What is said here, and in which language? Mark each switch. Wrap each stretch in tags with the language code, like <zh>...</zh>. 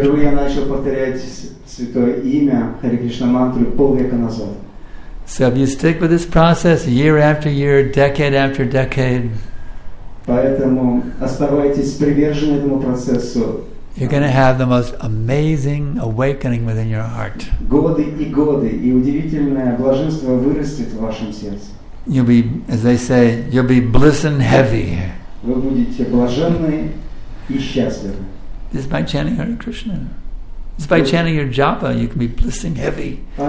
<ru>Впервые я начал повторять святое имя Hare Krishna мантру полвека назад.</ru> <en>So if you stick with this process year after year, decade after decade,</en> <ru>поэтому оставайтесь привержены этому процессу.</ru> <en>You're going to have the most amazing awakening within your heart.</en> <ru>Годы и удивительное блаженство вырастет в вашем сердце.</ru> <en>You'll be, as they say, you'll be blissen heavy.</en> <ru>Вы будете блаженны.</ru> <en>Just by chanting Hare Krishna. Just by chanting your japa, you can be blissing heavy.</en>